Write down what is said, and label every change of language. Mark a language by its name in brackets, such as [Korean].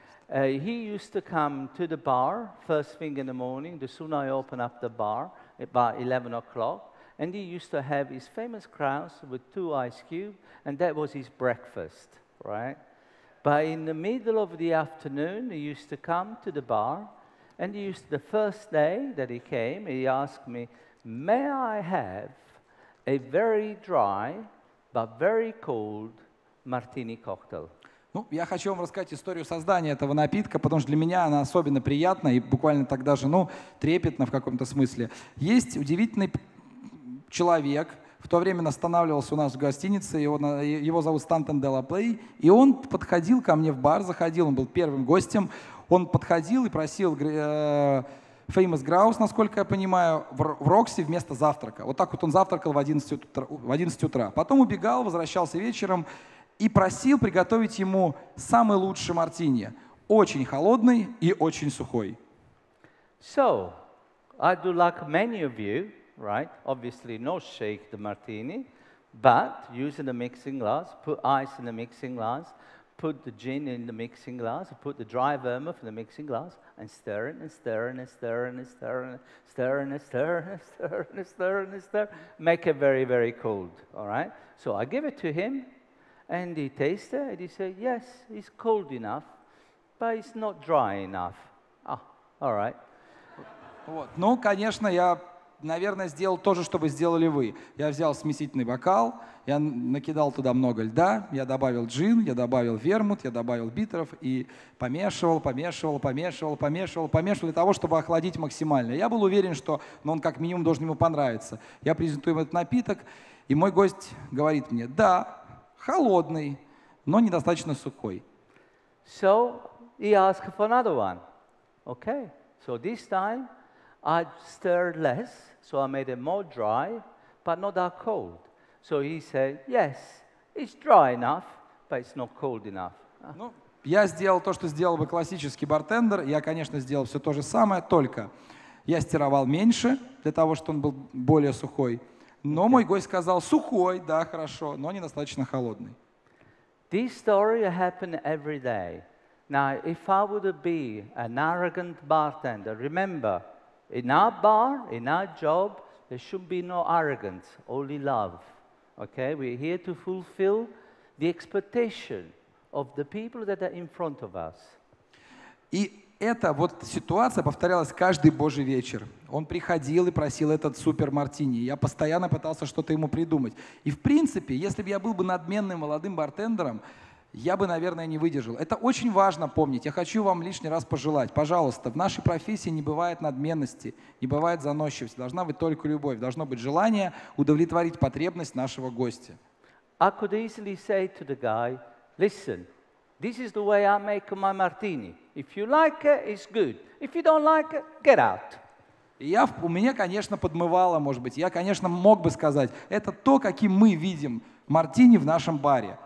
[English] He used to come to the bar first thing in the morning, the sooner I open up the bar, about 11 o'clock, and he used to have his famous crowns with 2 ice cubes, and that was his breakfast, right? But in the middle of the afternoon, he used to come to the bar, and he used to, the first day that he came, he asked me, may I have a very dry, but very cold martini cocktail? [Russian] Ну, я хочу вам рассказать историю создания этого напитка, потому что для меня она особенно приятна и буквально так даже, ну, трепетна в каком-то смысле. Есть удивительный человек, в то время останавливался у нас в гостинице, его зовут Стантон Делаплей, и он подходил ко мне в бар, заходил, он был первым гостем, он подходил и просил Famous Grouse, насколько я понимаю, в Рокси вместо завтрака. Вот так вот он завтракал в 11 утра. Потом убегал, возвращался вечером, и просил приготовить ему самый лучший мартини, очень холодный и очень сухой. [English] So, I do like many of you, right? Obviously, no shake the martini, but using the mixing glass, put ice in the mixing glass, put the gin in the mixing glass, put the dry vermouth in the mixing glass, and stirring and stirring and stirring and stirring and stirring and stirring and stirring and stirring and stirring, make it very, very cold. All right? So I give it to him. And he tasted it, and he said, yes, it's cold enough, but it's not dry enough. Ah, all right. [Russian] Вот. Ну, конечно, я, наверное, сделал то же, что вы сделали вы. Я взял смесительный бокал, я накидал туда много льда, я добавил джин, я добавил вермут, я добавил битеров, и помешивал для того, чтобы охладить максимально. Я был уверен, что он как минимум должен ему понравиться. Я презентую ему этот напиток, и мой гость говорит мне, да, холодный, но недостаточно сухой. [English] So he asked for another one. Okay. So this time I stirred less, so I made it more dry, but not that cold. So he said, yes, it's dry enough, but it's not cold enough. [Russian] Ну, я сделал то, что сделал бы классический бартендер. Я, конечно, сделал все то же самое, только я стировал меньше для того, чтобы он был более сухой. Но мой гость сказал, сухой, да, хорошо, но недостаточно холодный. [English] This story happened every day. Now, if I would be an arrogant bartender, remember, in our bar, in our job, there should be no arrogance, only love. Okay, we're here to fulfill the expectation of the people that are in front of us. [Russian] И эта вот ситуация повторялась каждый Божий вечер. Он приходил и просил этот супер-мартини. Я постоянно пытался что-то ему придумать. И в принципе, если бы я был бы надменным молодым бартендером, я бы, наверное, не выдержал. Это очень важно помнить. Я хочу вам лишний раз пожелать. Пожалуйста, в нашей профессии не бывает надменности, не бывает заносчивости. Должна быть только любовь. Должно быть желание удовлетворить потребность нашего гостя. [English] I could easily say to the guy, listen, this is the way I make my martini. If you like it, it's good. If you don't like it, get out. [Russian] У меня, конечно, подмывало, может быть. Я, конечно, мог бы сказать, это то, каким мы видим мартини в нашем баре.